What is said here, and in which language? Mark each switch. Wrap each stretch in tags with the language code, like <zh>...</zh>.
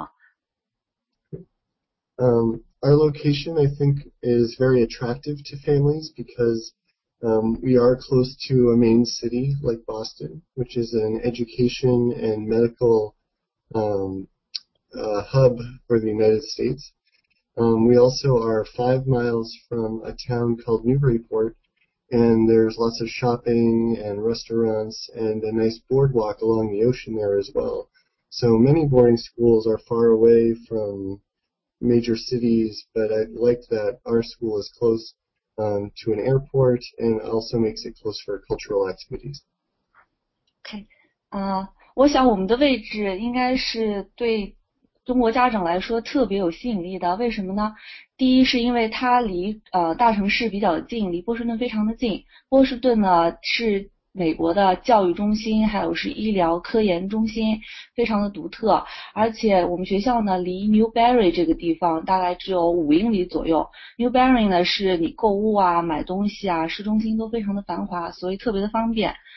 <zh>现在我们来看第一张PPT，第一个基本的关于学校的是，嘉文纳中学位于麻州的Byfield这个地方，应该翻译可能是叫拜菲德这样一个地方。这个地方是在波士顿北部大概30英里的地方。Our</zh> <en>location, I think, is very attractive to families because we are close to a main city like Boston, which is an education and medical hub for the United States. We also are 5 miles from a town called Newburyport, and there's lots of shopping and restaurants and a nice boardwalk along the ocean there as well. So many boarding schools are far away from major cities, but I like that our school is close to an airport, and also makes it close for cultural activities.</en> <zh>Okay, 我想我们的位置应该是对中国家长来说特别有吸引力的。为什么呢？第一是因为它离大城市比较近，离波士顿非常的近。波士顿呢是美国的教育中心，还有是医疗科研中心，非常的独特。而且我们学校呢离 Newberry 这个地方大概只有5英里左右。Newberry呢是你购物啊、买东西啊、市中心都非常的繁华，所以特别的方便。</zh>